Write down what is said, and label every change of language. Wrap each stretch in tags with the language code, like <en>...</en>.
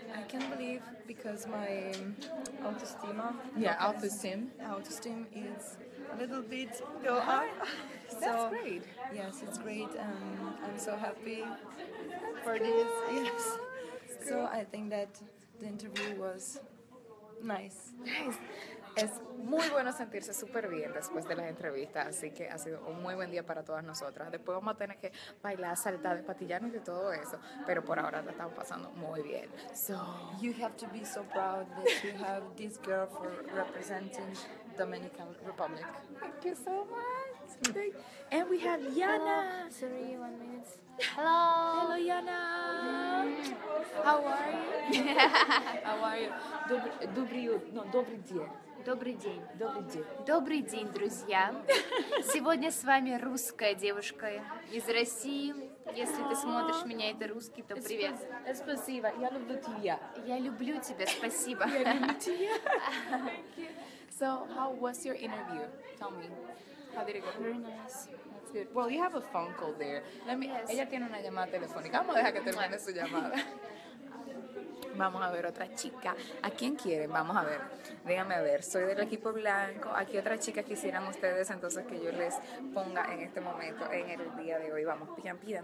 <en>I can't believe because my autoesteem. Yeah, autoesteem. Autoesteem is a little bit go up. That's so great. Yes, it's great. I'm so happy for this. Yes. So I think that the interview was Nice.</en> <es>Es muy bueno sentirse súper bien después de las entrevistas, así que ha sido un muy buen día para todas nosotras. Después vamos a tener que bailar, saltar, patillarnos y todo eso, pero por ahora la estamos pasando muy bien.</es> <en>So you have to be so proud that you have this girl for representing Dominican Republic. Thank you so much. And we have Yana. Hello. Sorry, 1 minute. Hello. Hello, Yana. How are you? How are you?</en> <ru>Добрый день. Добрый день. Добрый день. Добрый день, друзья. Сегодня с вами русская девушка из России. Если ты смотришь меня, это русский, то привет. Спасибо. Я люблю тебя. Я люблю тебя. Спасибо. Я люблю тебя.</ru> <en>So, how was your interview? Tell me. How did it go? Very nice. Good. Well, you have a phone call there. Let me. Yes.</en> <es>Ella tiene una llamada telefónica. Vamos a dejar que termine su llamada. Vamos a ver otra chica. ¿A quién quieren? Vamos a ver. Déjame ver. Soy del equipo blanco. ¿A qué otra chica quisieran ustedes entonces que yo les ponga en este momento, en el día de hoy? Vamos, pidan.</es>